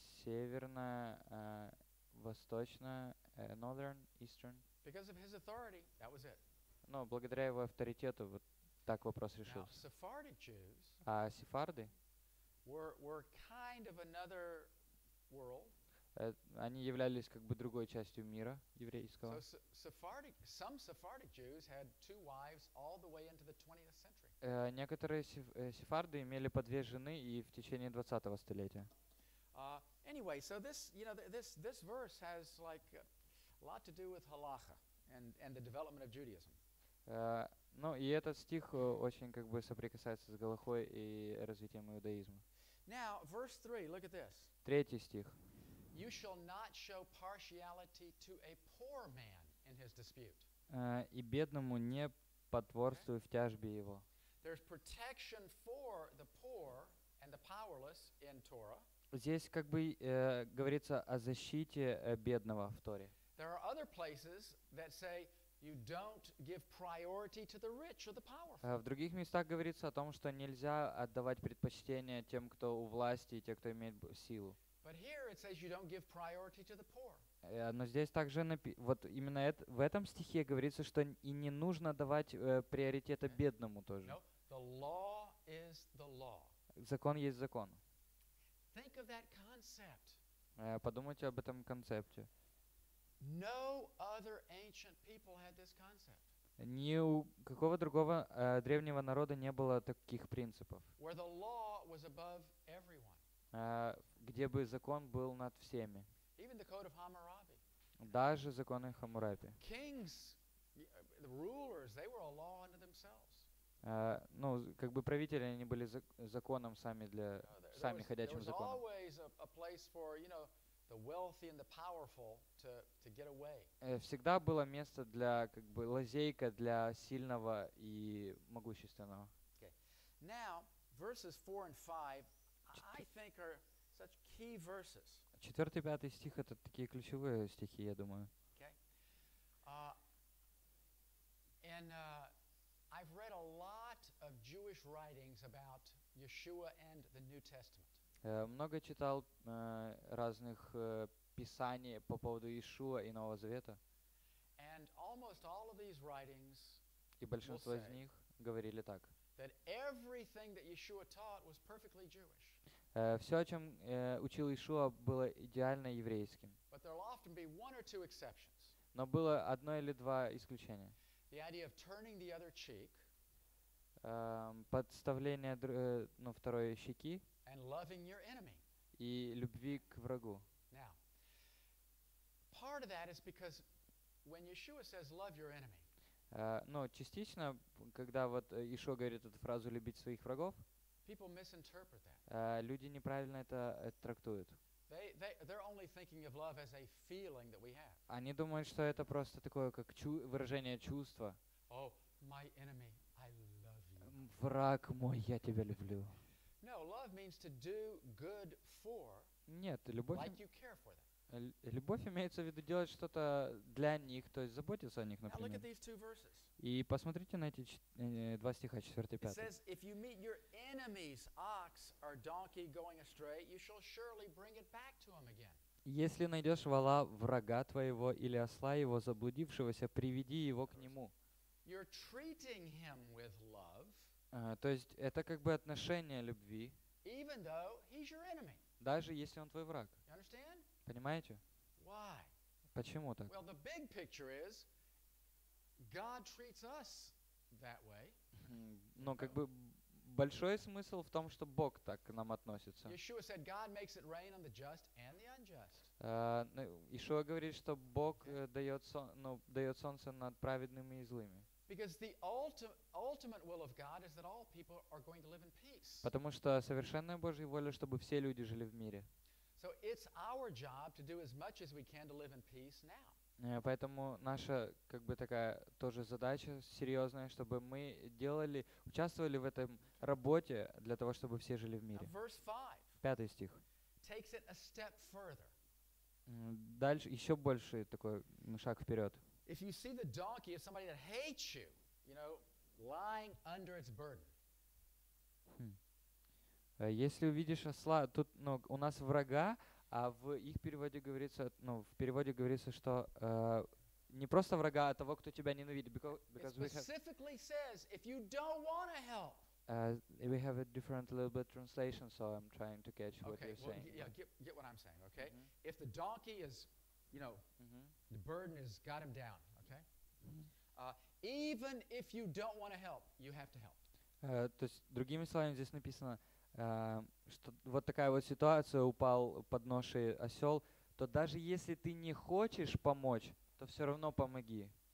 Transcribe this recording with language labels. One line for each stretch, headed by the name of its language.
Russian: Северная, восточная,
English: Northern, Eastern. Because of his authority, that was it.
Russian: Но благодаря его авторитету вот так вопрос решился.
English: Now, Sephardic Jews.
Russian: А сефарды?
English: Were kind of another world.
Russian: Они являлись как бы другой частью мира еврейского.
English: So, some Sephardic Jews had two wives all the way into the 20th century.
Russian: Некоторые сефарды имели по две жены и в течение 20-го столетия.
English: Anyway, so this, you know, this verse has like a lot to do with halacha and the development of Judaism.
Russian: Ну и этот стих очень как бы соприкасается с галахой и развитием иудаизма.
English: Now, verse 3, look at this.
Russian: Третий стих.
English: You shall not show partiality to a poor man in his dispute.
Russian: И бедному не потворствуй в тяжбе его.
English: There's protection for the poor and the powerless in Torah.
Russian: Здесь как бы говорится о защите бедного в Торе.
English: There are other places that say You don't give priority to the rich or the powerful.
Russian: В других местах говорится о том, что нельзя отдавать предпочтение тем, кто у власти и тем, кто имеет силу.
English: But here it says you don't give priority to the poor.
Russian: Но здесь также вот именно в этом стихе говорится, что и не нужно давать приоритета бедному тоже.
English: No, the law is the law.
Russian: Закон есть закон.
English: Think of that concept.
Russian: Подумайте об этом концепте.
English: No other ancient people had this concept.
Russian: Ни у какого другого древнего народа не было таких принципов.
English: Where the law was above everyone.
Russian: Где бы закон был над всеми.
English: Even the code of Hammurabi.
Russian: Даже законы Хаммурапи.
English: Kings, the rulers, they were a law unto themselves.
Russian: Ну, как бы правители, они были законом сами для сами ходячим законом.
English: There was always a place for, you know, the wealthy and the powerful to get away.
Russian: Всегда было место для как бы лазейка для сильного и могущественного.
English: Okay. Now, verses 4 and 5 I think are such key verses.
Russian: 4 и 5 стих это такие ключевые стихи, я думаю.
English: Okay. And I've read a lot of Jewish writings about Yeshua and the New Testament.
Russian: Много читал разных писаний по поводу Иешуа и Нового Завета.
English: And almost all of these writings
Russian: и большинство из них говорили так.
English: That everything that Yeshua taught was perfectly Jewish.
Russian: Все, о чем учил Иешуа, было идеально еврейским.
English: But there'll often be one or two exceptions.
Russian: Но было одно или два исключения.
English: The idea of turning the other cheek.
Russian: Подставление второй щеки.
English: And loving your enemy.
Russian: И любви к врагу.
English: Now, part of that is because when Yeshua says love your enemy.
Russian: Частично, когда вот Иешуа говорит эту фразу любить своих врагов.
English: People misinterpret that.
Russian: Люди неправильно это трактуют.
English: They're only thinking of love as a feeling that we have.
Russian: Они думают, что это просто такое как выражение чувства.
English: Oh, my enemy, I love you.
Russian: Враг мой, я тебя люблю.
English: No, love means to do good for.
Russian: Нет, любовь.
English: Like you care for them.
Russian: Любовь имеется в виду делать что-то для них, то есть заботиться о них, например.
English: Now look at these two verses.
Russian: И посмотрите на эти два стиха, 4 и 5.
English: It says, if you meet your enemy's ox or donkey going astray, you shall surely bring it back to him again.
Russian: Если найдешь вола врага твоего или осла его заблудившегося, приведи его к нему.
English: You're treating him with love.
Russian: То есть это как бы отношение любви.
English: Even though he's your enemy.
Russian: Даже если он твой враг.
English: You understand?
Russian: Понимаете?
English: Why?
Russian: Почему так?
English: Well, the big picture is God treats us that way.
Russian: Но как бы большой смысл в том, что Бог так к нам относится.
English: Yeshua said God makes it rain on the just and the unjust.
Russian: Иешуа говорит, что Бог дает солнце над праведными и злыми.
English: Because the ultimate will of God is that all people are going to live in peace.
Russian: Потому что совершенная Божья воля, чтобы все люди жили в мире.
English: So it's our job to do as much as we can to live in peace now.
Russian: Поэтому наша как бы такая тоже задача серьезная, чтобы мы делали, участвовали в этом работе для того, чтобы все жили в мире.
English: Now verse 5.
Russian: Пятый стих.
English: Takes it a step further.
Russian: Дальше еще больше такой шаг вперед.
English: If you see the donkey as somebody that hates you, you know, lying under its burden. Если увидишь осла, тут у нас врага, а в их переводе говорится, в переводе говорится, что не просто врага, а того, кто тебя ненавидит. It specifically says, if you don't want to help. We have a different little bit translation, so I'm trying to catch what you're saying. Okay, well, get what I'm saying, okay? Mm-hmm. If the donkey is, you know, mm-hmm. the burden has got him down, okay? Mm-hmm. Even if you don't want to help, you have to help.
Russian: То есть, другими словами, здесь написано, что вот такая вот ситуация, упал под ноши осел, то даже если ты не хочешь помочь, то все равно помоги.